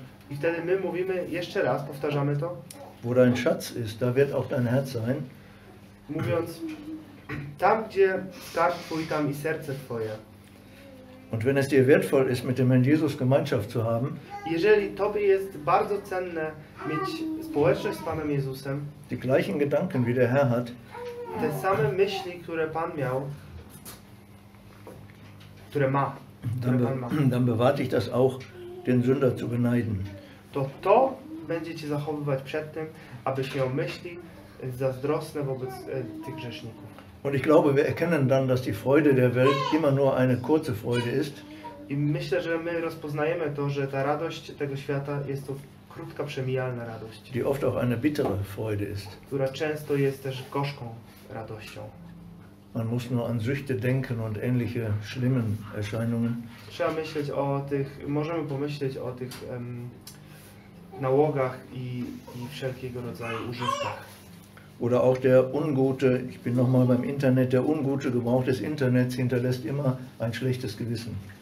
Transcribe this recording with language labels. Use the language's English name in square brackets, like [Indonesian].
[Polish] I wtedy my mówimy jeszcze raz, powtarzamy to. [German] Wo dein Schatz ist, da wird auch dein Herz sein. [Polish] Mówiąc, tam gdzie skarb twój, tam i serce twoje. [German] Und wenn es dir wertvoll ist, mit dem Herrn Jesus Gemeinschaft zu haben, [Polish] jeżeli tobie jest bardzo cenne mieć społeczność z Panem Jezusem, [German] die gleichen Gedanken, wie der Herr hat, [Polish] te same myśli, które Pan miał, które ma, [German] dann bewahrt dich das auch, den Sünder zu beneiden. [Polish] To będzie cię zachowywać przed tym, abyś miał myśli zazdrosne wobec tych grzeszników. [German] Und ich glaube, wir erkennen dann, dass die Freude der Welt immer nur eine kurze Freude ist. [Polish] I myślę, że my rozpoznajemy to, że ta radość tego świata jest to krótka, przemijalna radość. [German] Die oft auch eine bittere Freude ist. [Polish] Która często jest też gorzką radością. [German] Man muss nur an Süchte denken und ähnliche schlimmen Erscheinungen. [Polish] Trzeba myśleć o tych, możemy pomyśleć o tych nałogach i wszelkiego rodzaju użytkach. [German] Oder auch der ungute, ich bin nochmal beim Internet, der ungute Gebrauch des Internets hinterlässt immer ein schlechtes Gewissen.